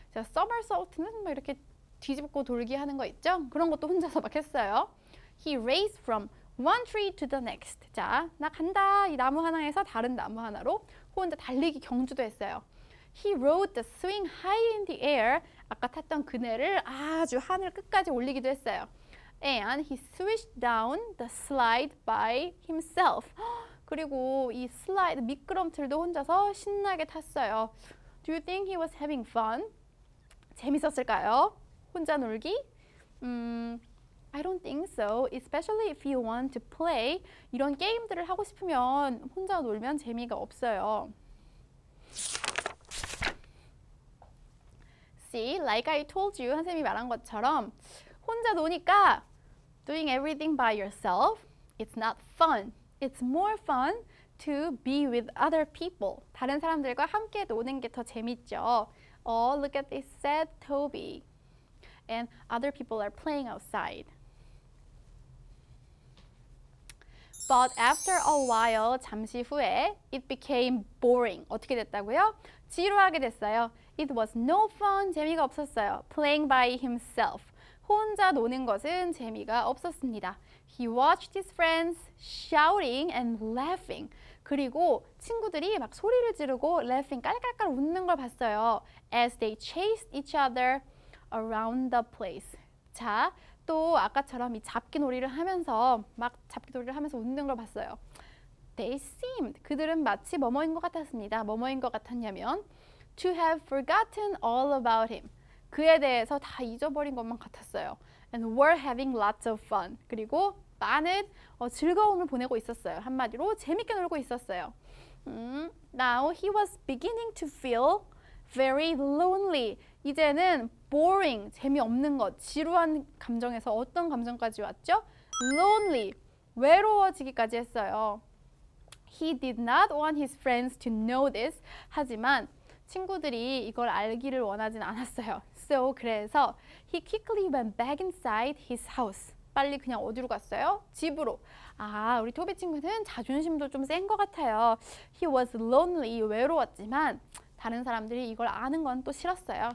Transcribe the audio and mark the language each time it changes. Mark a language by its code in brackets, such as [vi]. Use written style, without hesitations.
[ko] 자, somersault는 막 이렇게 뒤집고 돌기 하는 거 있죠? 그런 것도 혼자서 막 했어요. [en] He raced from one tree to the next. [ko] 자, 나 간다. 이 나무 하나에서 다른 나무 하나로 혼자 달리기 경주도 했어요. [en] He rode the swing high in the air. [ko] 아까 탔던 그네를 아주 하늘 끝까지 올리기도 했어요. [en] And he swished down the slide by himself. [ko] 그리고 이 슬라이드 미끄럼틀도 혼자서 신나게 탔어요. [en] Do you think he was having fun? [ko] 재밌었을까요? 혼자 놀기? [en] I don't think so. Especially if you want to play. [ko] 이런 게임들을 하고 싶으면 혼자 놀면 재미가 없어요. [en] See, like I told you, [ko] 한쌤이 말한 것처럼 혼자 노니까 [en] doing everything by yourself, it's not fun. It's more fun to be with other people. [ko] 다른 사람들과 함께 노는 게 더 재밌죠. [en] Oh, look at this, said Toby. And other people are playing outside. But after a while, [ko] 잠시 후에, [en] it became boring. [ko] 어떻게 됐다고요? 지루하게 됐어요. [en] It was no fun, [ko] 재미가 없었어요. [en] Playing by himself. [ko] 혼자 노는 것은 재미가 없었습니다. [en] He watched his friends shouting and laughing. [ko] 그리고 친구들이 막 소리를 지르고 laughing, 깔깔깔 웃는 걸 봤어요. [en] As they chased each other around the place. [ko] 자, 또 아까처럼 이 잡기놀이를 하면서 막 잡기놀이를 하면서 웃는 걸 봤어요. [en] They seemed, [ko] 그들은 마치 뭐뭐인 것 같았습니다. 뭐뭐인 것 같았냐면 [en] to have forgotten all about him. [ko] 그에 대해서 다 잊어버린 것만 같았어요. [en] And were having lots of fun. [ko] 그리고 많은 즐거움을 보내고 있었어요. 한마디로 재밌게 놀고 있었어요. [en] Now he was beginning to feel very lonely. [ko] 이제는 boring, 재미없는 것, 지루한 감정에서 어떤 감정까지 왔죠? Lonely, 외로워지기까지 했어요. [en] He did not want his friends to know this. [ko] 하지만 친구들이 이걸 알기를 원하진 않았어요. [en] So, [ko] 그래서 [en] he quickly went back inside his house. [ko] 빨리 그냥 어디로 갔어요? 집으로. 아, 우리 토비 친구는 자존심도 좀 센 것 같아요. [en] He was lonely, [ko] 외로웠지만 다른 사람들이 이걸 아는 건 또 싫었어요.